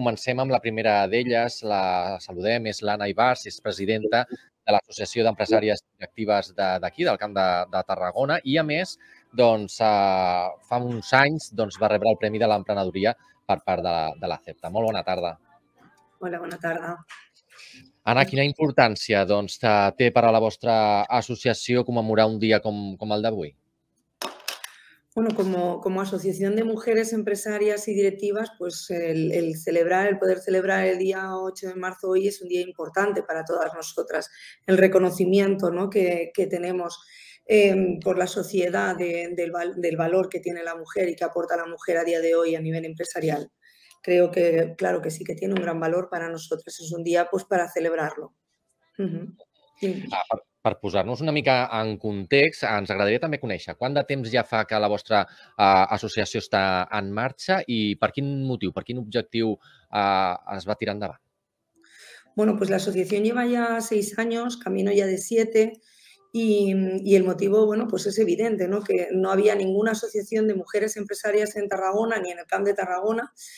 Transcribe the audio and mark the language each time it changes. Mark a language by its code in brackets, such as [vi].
[ca] Comencem amb la primera d'elles, la saludem, és l'Anna Ibars, és presidenta de l'Associació d'Empresàries Directives d'aquí, del Camp de Tarragona, i a més, doncs, fa uns anys doncs, va rebre el Premi de l'Emprenedoria per part de la CEPTA. Molt bona tarda. Hola, bona tarda. Anna, quina importància doncs, té per a la vostra associació commemorar un dia com el d'avui? [es] Bueno, como Asociación de Mujeres Empresarias y Directivas, pues el poder celebrar el día 8 de marzo hoy es un día importante para todas nosotras. El reconocimiento, ¿no?, que tenemos por la sociedad del valor que tiene la mujer y que aporta la mujer a día de hoy a nivel empresarial. Creo que, claro que sí, que tiene un gran valor para nosotras. Es un día pues para celebrarlo. Uh-huh. Sí. [ca] Per posar-nos una mica en context, ens agradaria també conèixer quant de temps ja fa que la vostra associació està en marxa i per quin motiu, per quin objectiu es va tirar endavant? [es] Bueno, pues la asociación lleva ya 6 años, camino ya de 7, y el motivo, bueno, pues es evidente, ¿no?, que no había ninguna asociación de mujeres empresarias en Tarragona ni en el Camp de Tarragona.